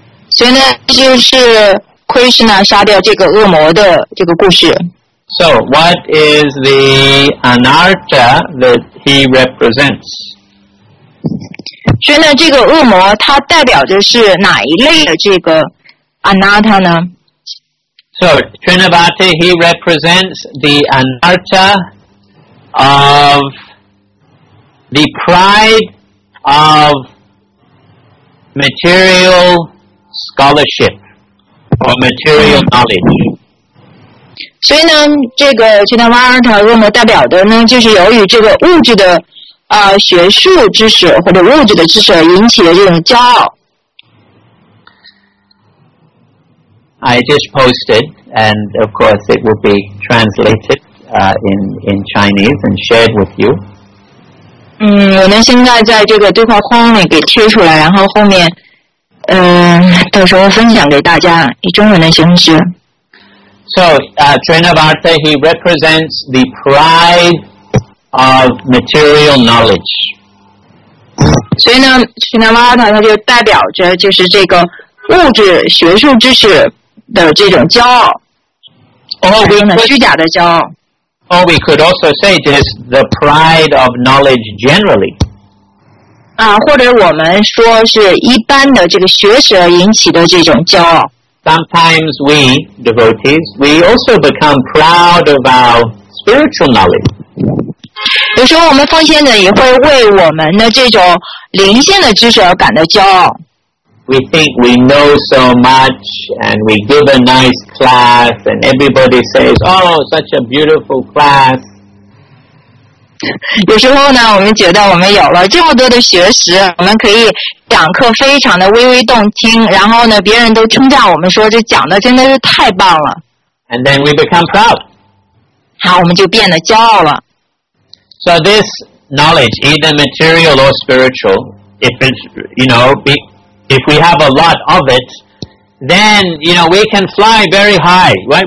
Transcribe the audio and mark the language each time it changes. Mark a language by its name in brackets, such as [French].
[Chinese] 所以呢，就是 Krishna 杀掉这个恶魔的这个故事。 [English] So what is the anarta that he represents? [Chinese] 所以呢，这个恶魔它代表着是哪一类的这个 anarta 呢？ [English] So, Trinavati, he represents the anarta of the pride of material scholarship or material knowledge. [Chinese] 所以呢，这个 Trinavati 恶魔代表的呢，就是由于这个物质的学术知识或者物质的知识引起的这种骄傲。 [English] I just posted, and of course it will be translated in Chinese and shared with you. [Chinese] 嗯，我呢现在在这个对话框里给贴出来，然后后面，到时候分享给大家，以中文的形式。 [English] So, Trinavarta, he represents the pride of material knowledge. [Chinese] 所以呢 ，Trinavarta 他就代表着就是这个物质学术知识。的这种骄傲，哦，这种虚假的骄傲。 [English] Oh, we could also say just the pride of knowledge generally. [Chinese] 啊，或者我们说是一般的这个学识引起的这种骄傲。 [English] Sometimes we devotees we also become proud of our spiritual knowledge. [Chinese] 有时候我们奉献者也会为我们的这种灵性的知识而感到骄傲。 [English] We think we know so much, and we give a nice class, and everybody says, "Oh, such a beautiful class." [Chinese] 有时候呢，我们觉得我们有了这么多的学识，我们可以讲课非常的微微动听，然后呢，别人都称赞我们说这讲的真的是太棒了。 [English] And then we become proud. [Chinese] 好，我们就变得骄傲了。 [English] So this knowledge, either material or spiritual, if it's If we have a lot of it, then, you know, we can fly very high, right?